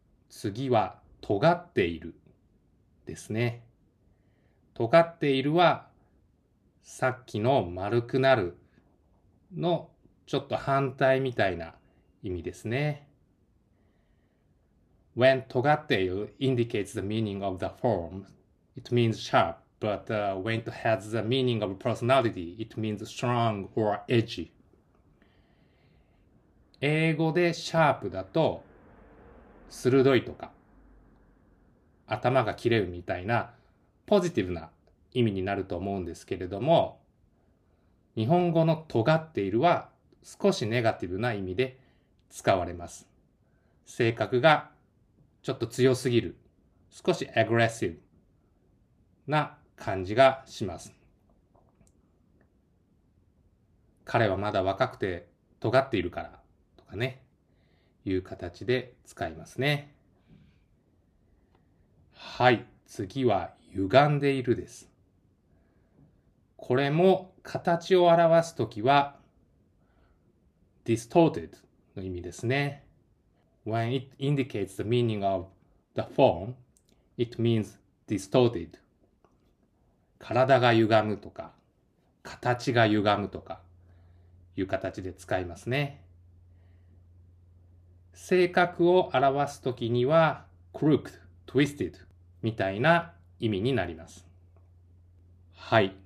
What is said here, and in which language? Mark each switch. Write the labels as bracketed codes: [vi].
[ja] 次は尖っているですね。尖っているはさっきの丸くなるのちょっと反対みたいな意味ですね。 [en] When 尖っている indicates the meaning of the form, it means sharp, but when it has the meaning of personality, it means strong or edgy. [ja] 英語でシャープだと鋭いとか頭が切れるみたいなポジティブな意味になると思うんですけれども、日本語の尖っているは少しネガティブな意味で使われます。性格がちょっと強すぎる、少しアグレッシブな感じがします。彼はまだ若くて尖っているからとかね、いう形で使いますね。はい、次は歪んでいるです。これも形を表すときは distorted の意味ですね。 [en] When it indicates the meaning of the form, it means distorted. [ja] 体が歪むとか、形が歪むとかいう形で使いますね。性格を表すときには crooked, twisted みたいな意味になります。はい。